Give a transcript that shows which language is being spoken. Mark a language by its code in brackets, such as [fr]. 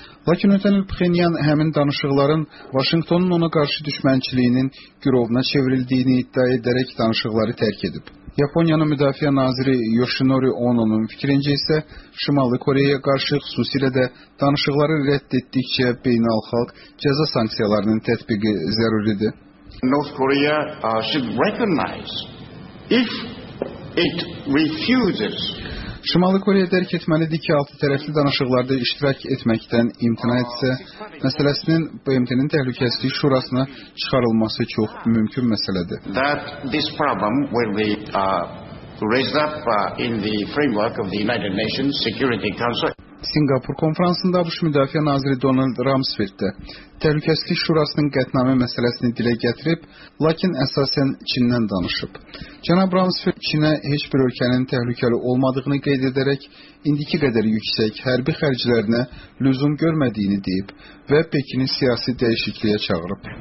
[az] Lakin ötən il Pxenyan həmin danışıqların Vaşinqtonun ona qarşı düşmənçiliyinin girovuna çevrildiyini iddia edərək danışıqları tərk edib. Yaponiyanın müdafiə naziri Yoshinori Ono'nun fikrincə isə Şimali Koreyaya qarşı xüsusilə də danışıqları rədd etdikcə beynəlxalq cəza sanksiyalarının tətbiqi zəruridir. [en] North Korea should recognize if it refuses. [az] Şimali Koreya dərk etməlidir ki, altı tərəfli danışıqlarda iştirak etməkdən imtina etsə, məsələsinin BMT-nin Təhlükəsizlik Şurasına çıxarılması çox mümkün məsələdir. [en] That this problem will be raised up in the framework of the United Nations Security Council. [az] Singapur konferansında ABŞ müdafiə naziri Donald Rumsfeld də Təhlükəsizlik Şurasının qətnamə məsələsini dilə gətirib, lakin əsasən Çindən danışıb. Cənab Rumsfeld Çinə heç bir ölkənin təhlükəli olmadığını qeyd edərək, indiki qədər yüksək hərbi xərclərinə lüzum görmədiyini deyib və Pekini siyasi dəyişikliyə çağırıb.